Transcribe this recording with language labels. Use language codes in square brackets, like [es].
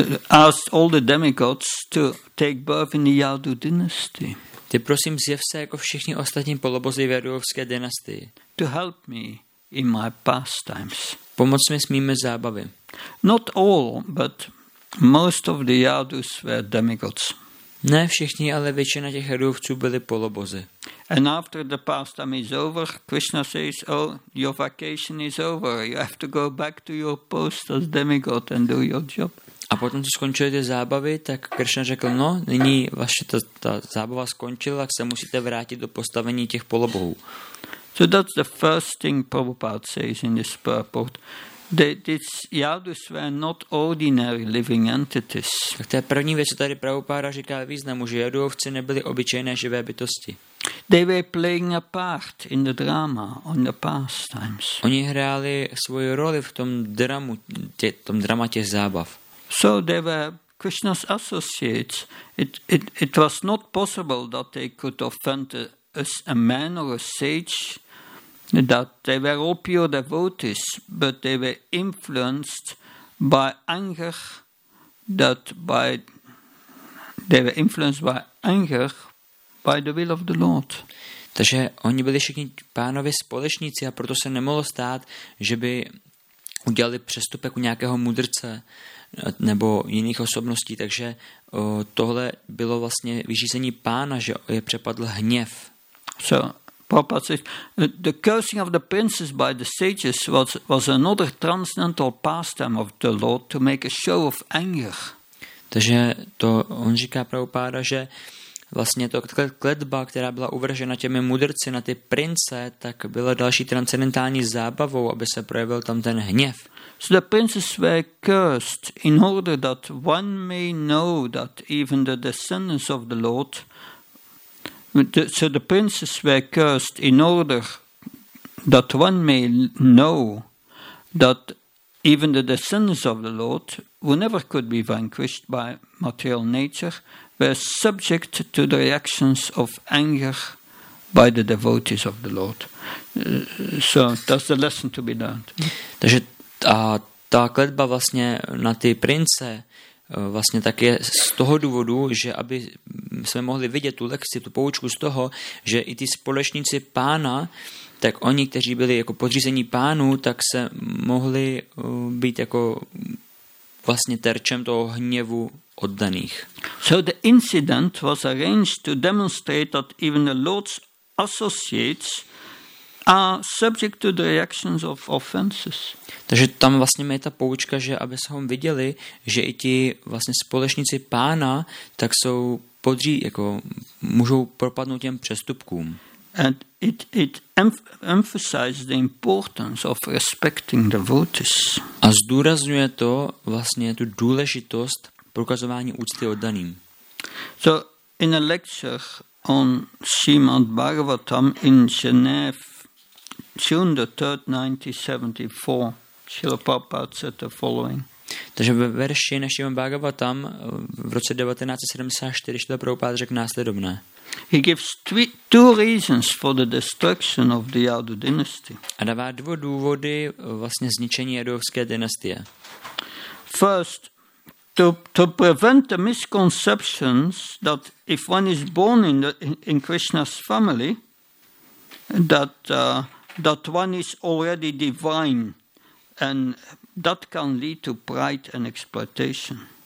[en] Ask all the demigods to take birth in the Yadu dynasty. [cs] Ty prosím zjev se jako všichni ostatní polobozy Yadovské dynastie. [en] To help me in my pastimes. [cs] Pomoc mi s mými zábavy. [en] Not all, but most of the Yadus were demigods. [cs] Ne všichni, ale většina těch Yadovců byly polobozy. [en] And after the pastime is over, Krishna says, oh, your vacation is over. You have to go back to your post as demigod and do your job. [cs] A potom, co skončily ty zábavy, tak Krishna řekl, no, nyní vaše ta zábava skončila, tak se musíte vrátit do postavení těch polobohů. [en] So that's the first thing Prabhupada says in this purport. These Yadus were not ordinary living entities. [cs] Tak to je první věc, co tady Prabhupada říká významu, že Yadovci nebyli obyčejné živé bytosti. [en] They were playing a part in the drama on the pastimes. [cs] Oni hráli svoji roli v tom dramu, tom dramatě zábav. [en] So they were Krishna's associates. It was not possible that they could offend a man or a sage. That they were all pure devotees, but they were influenced by anger. They were influenced by anger by the will of the Lord. [cs] Takže oni byli všichni pánovi společníci a proto se nemohlo stát, že by udělali přestupek u nějakého mudrce nebo jiných osobností, takže tohle bylo vlastně vyřízení pána, že je přepadl hněv. [en] So, Prabhupada says, the cursing of the princes by the sages was another transcendental pastime of the Lord to make a show of anger. [cs] Takže to on říká Prabhupada, že vlastně to kletba, která byla uvržena těmi mudrci na ty prince, tak byla další transcendentální zábavou, aby se projevil tam ten hněv. [en] So the princes were cursed in order that one may know that even the descendants of the Lord. So the princes were cursed in order that one may know that even the descendants of the Lord, who never could be vanquished by material nature, were subject to the reactions of anger by the devotees of the Lord. So that's the lesson to be learned. [cs] Takže ta kletba vlastně na ty prince vlastně tak je z toho důvodu, že aby jsme mohli vidět tu lekci, tu poučku z toho, že i ty společníci pána, tak oni, kteří byli jako podřízení pánu, tak se mohli být jako vlastně terčem toho hněvu oddaných. [en] So the incident was arranged to demonstrate that even the Lord's associates are subject to the reactions of offenses. [cs] Takže tam vlastně je ta poučka, že aby se hom viděli, že i ti vlastně společníci pána, tak jsou podří, jako můžou propadnout těm přestupkům. [en] And it emphasizes the importance of respecting devotees. [cs] A zdůrazňuje to vlastně tu důležitost prokazování úcty oddaným. [en] So in a lecture on Srimad Bhagavatam in Geneva, June 3, 1974, Srila Prabhupada said the following. [cs] Takže ve verši na Srimad Bhagavatam v roce 1974 Srila Prabhupada řekl následovné. [en] He gives two reasons for the destruction of the Yadu dynasty. [cs] A dává dva důvody vlastně zničení jadovské dynastie. [en] First, to prevent the misconceptions that if one is born in Krishna's family, that one is already divine, and that can lead to pride and exploitation.